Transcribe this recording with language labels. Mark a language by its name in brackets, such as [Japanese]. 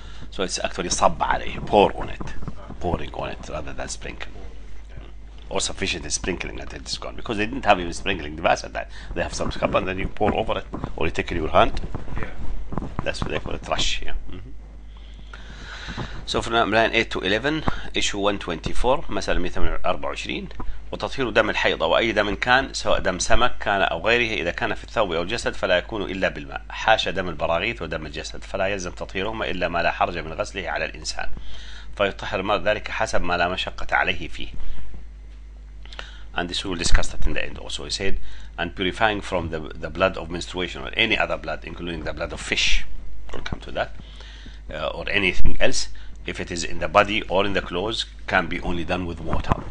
[English] So it's actually sab alayhi, pouring on it rather than sprinkling. Or sufficient sprinkling until it's gone. Because they didn't have even sprinkling device at that. They have some scrub and then you pour over it or you take it in your hand. Yeah. That's what they call it, rush. Yeah. So from line 8 to 11, issue 124, [Arabic] مثلا 124 وتطهير دم الحيض وأي دم كان سواء دم سمك كان أو غيره إذا كان في الثوب أو الجسد فلا يكون إلا بالماء حاشا دم البراغيث ودم الجسد فلا يلزم تطهيرهما إلا ما لا حرج من غسله على الإنسان فيطهر المرء ذلك حسب ما لا مشقة عليه فيه. [English] And this will discuss that in the end also. He said, and purifying from the blood of menstruation or any other blood, including the blood of fish, we'll come to that, or anything else, if it is in the body or in the clothes, can be only done with water.